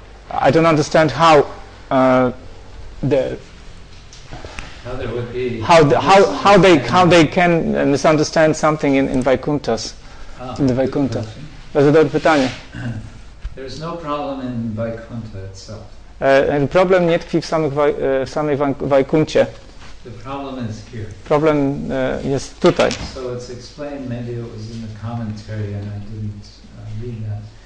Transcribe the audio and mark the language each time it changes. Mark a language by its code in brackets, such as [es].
[en] I don't understand how the how they can misunderstand something in Vaikunthas, in the Vaikuntha. There is no problem in Vaikuntha itself. [pl] Problem nie tkwi w samej Vaikunthie. [en] The problem is here. [pl] Problem jest tutaj. [en] So it's explained, maybe it was in the commentary and I didn't read that.